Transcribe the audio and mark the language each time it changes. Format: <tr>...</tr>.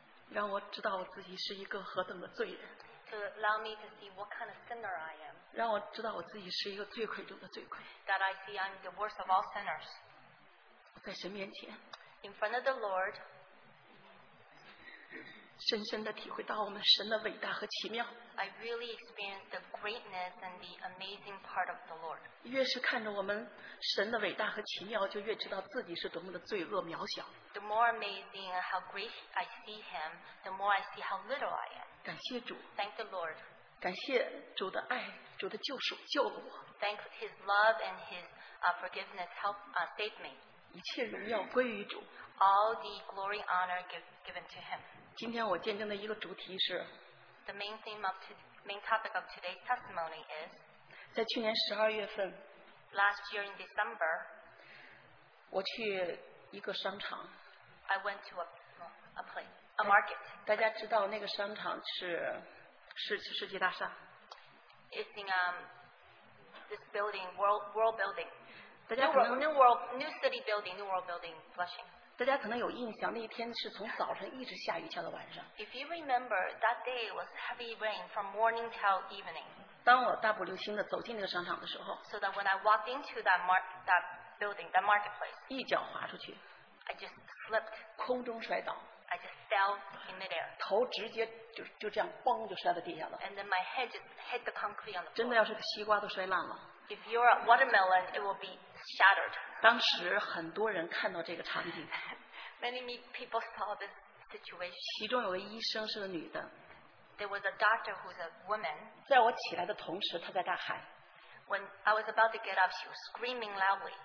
<zh>让我知道我自己是一个何等的罪人,</zh> <en>to allow me to see what kind of sinner I am.</en> <zh>让我知道我自己是一个罪魁中的罪魁。</zh> <en>That I see I'm the worst of all sinners.</en> <zh>在神面前,</zh> <en>in front of the Lord,</en> <zh>深深地体会到我们神的伟大和奇妙。</zh> <en>I really experience the greatness and the amazing part of the Lord.</en> <zh>越是看着我们神的伟大和奇妙, 就越知道自己是多么的罪恶渺小。</zh> <en>The more amazing and how great I see him, the more I see how little I am.</en> <zh>感谢主,</zh> <en>thank the Lord.</en> <zh>感谢主的爱, 主的救赎, 救了我,</zh> <en>thank his love and his forgiveness help save me.</en> <zh>一切荣耀归于主,</zh> <en>all the glory and honor given to him.</en> <zh>今天我见证的一个主题是,</zh> <en>the main theme of main topic of today's testimony is,</en> <zh>在去年12月份,</zh> <en>last year in December,</en> <zh>我去一个商场,</zh> <en>I went to a place. A market.</en> <zh>大家知道那个商场是世纪大厦。</zh> <en>It's in this building, World Building. New City Building, New World Building, Flushing.</en> <zh>大家可能有印象，那一天是从早晨一直下雨下到晚上。</zh> <en>If you remember, that day was heavy rain from morning till evening.</en> <zh>当我大步流星地走进那个商场的时候，</zh> <en>so that when I walked into that building, that marketplace,</en> <zh>一脚滑出去，</zh> <en>I just slipped.</en> <zh>空中摔倒。</zh> <en>I just fell in midair.</en> <zh>头直接就这样崩就摔到地下了。</zh> <en>And then my head just hit the concrete on the floor.</en> <zh>真的要是个西瓜都摔烂了。</zh> <en>If you're a watermelon, it will be shattered.</en> <zh>当时很多人看到这个场景。</zh> <en>Many people saw this situation.</en> <zh>其中有个医生是个女的。</zh> <en>There was a doctor who's a woman.</en> <zh>在我起来的同时，她在大喊。</zh> <en>When I was about to get up, she was screaming loudly.</en>